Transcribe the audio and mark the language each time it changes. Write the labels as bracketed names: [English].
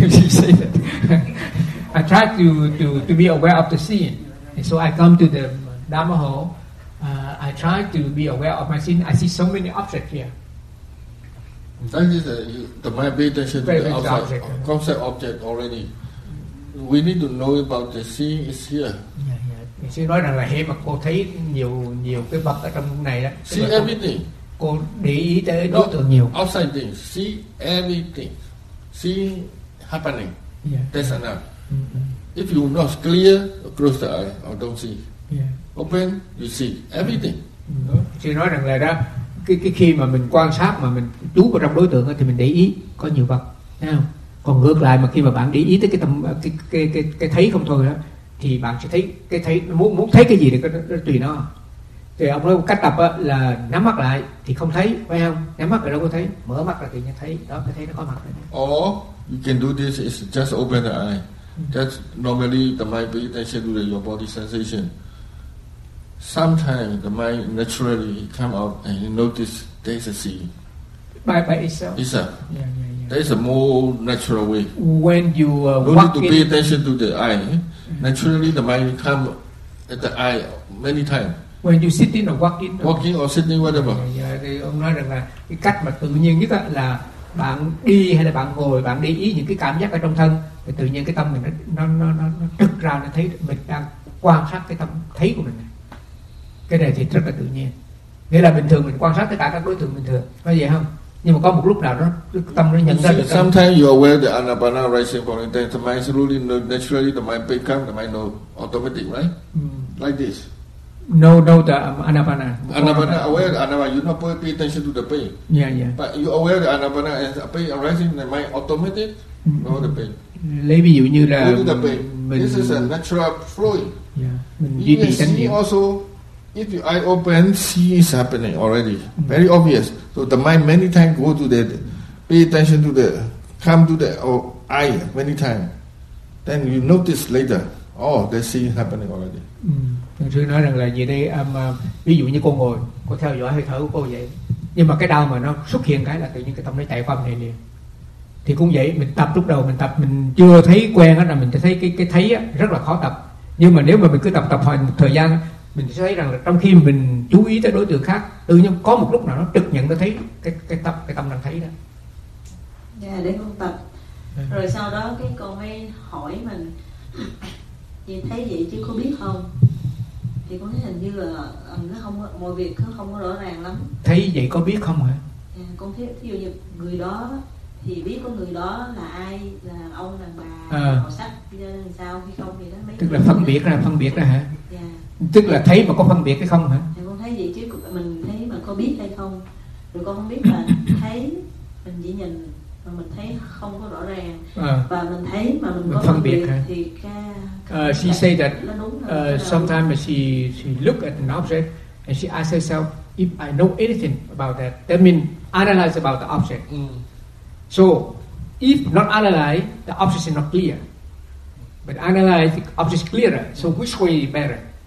[English] I try to be aware of the scene, so I come to the Dhamma hall. I try to be aware of my scene. I see so many objects here. That is the mind pay attention to the outside, concept object already. We need to know about the seeing is here. Yeah, yeah. [Vietnamese] Sư nói rằng là hễ mà cô thấy nhiều cái vật ở trong này đó. [English] See everything. [Vietnamese] Cô để ý tới đối tượng nhiều. [English] Outside things. See everything. See happening. Yeah. That's enough. Mm-hmm. If you not clear, close the eye or don't see. Yeah. Open, you see everything. [Vietnamese] Sư nói rằng là đó. Cái khi mà mình quan sát mà mình chú vào trong đối tượng thì mình để ý có nhiều vật, còn ngược lại mà khi mà bạn để ý tới cái thấy không thôi đó thì bạn sẽ thấy cái thấy muốn thấy cái gì thì nó tùy nó. Thì ông nói cách tập là nhắm mắt lại thì không thấy, phải không? Nhắm mắt rồi đâu có thấy, mở mắt là thì nhận thấy đó, cái thấy nó có mặt rồi. [English] Or you can do this is just open the eye. That's normally the mind meditation with your body sensation. Sometimes the mind naturally come out and you notice there is a seeing. By itself. Itself. Yeah, yeah, yeah. There is a more natural way. When you don't need to pay attention to the eye. Eh? Naturally, the mind come at the eye many times. When you sitting or walking. Walking or sitting, whatever. [Vietnamese] Yeah, ông nói rằng là cái cách mà tự nhiên nhất là bạn đi hay là bạn ngồi, bạn để ý những cái cảm giác ở trong thân, thì tự nhiên cái tâm mình nó trực ra, nó thấy mình đang quan sát cái tâm thấy của mình. Cái này thì rất là tự nhiên. Nghĩa là bình thường mình quan sát tất cả các đối tượng bình thường, có vậy không? Nhưng mà có một lúc nào đó tâm nó nhận ra được. [English] Sometimes you are aware the anapana rising from the mind, slowly, naturally the mind become, the mind know automatic, right? Like this. No, the anapana. Anapana, aware the anapana, you not pay attention to the pain. Yeah, yeah. But you aware the anapana as a pain arising, the mind automatic, know the pain. [Vietnamese] Lấy ví dụ như là [English] this is a natural flowing. Yeah. You can see also. If your eye open, see is happening already. Very obvious. So the mind many times go to that, pay attention to the, come to the eye many times. Then you notice later. Oh, that scene happening already. [Vietnamese] Thường sư nói rằng là gì đây, ví dụ như cô ngồi, cô theo dõi hơi thở của cô vậy. Nhưng mà cái đau mà nó xuất hiện cái là tự nhiên cái tâm nó chạy qua này liền. Thì cũng vậy, mình tập lúc đầu, mình tập, mình chưa thấy quen là mình sẽ thấy cái thấy á, rất là khó tập. Nhưng mà nếu mà mình cứ tập hồi một thời gian, mình sẽ thấy rằng là trong khi mình chú ý tới đối tượng khác, tự nhiên có một lúc nào nó trực nhận nó thấy cái tâm đang thấy đó. Dạ, [English] yeah, [Vietnamese] để con tập. Rồi sau đó cái cô ấy hỏi mình, nhìn thấy vậy chứ có biết không? Thì con thấy hình như là nó không, mọi việc nó không có rõ ràng lắm. Thấy vậy có biết không hả? Dạ, con thấy ví dụ như người đó thì biết có người đó là ai, là ông, đàn bà, họ sách làm sao hay không thì đó mấy. Tức là phân biệt ra, phân biệt ra hả? Dạ. Tức là thấy mà có phân biệt hay không hả? Dạ, con thấy vậy chứ mình thấy mà có biết hay không. Rồi con không biết là thấy mình chỉ nhìn mà mình thấy không có rõ ràng và mình thấy mà mình có phân biệt hả? Thì ca [English] She say that sometimes she look at an object and she asks herself, if I know anything about that, that means analyze about the object. Mm. So if not analyze, the object is not clear. But analyze, the object is clearer. So which way is better?